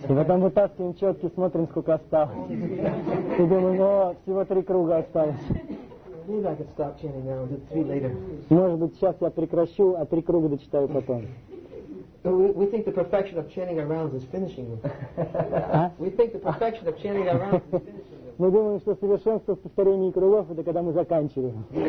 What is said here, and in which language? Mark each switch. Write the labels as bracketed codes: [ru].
[ru] И потом вытаскиваем четки, смотрим, сколько осталось. И думаем, о, всего три круга осталось. Может быть, сейчас я прекращу, а три круга дочитаю потом. [en] We think the perfection of chanting our rounds is finishing them. We think the perfection of chanting our rounds is finishing them. [ru] Мы думаем, что совершенство в повторении кругов это когда мы заканчиваем.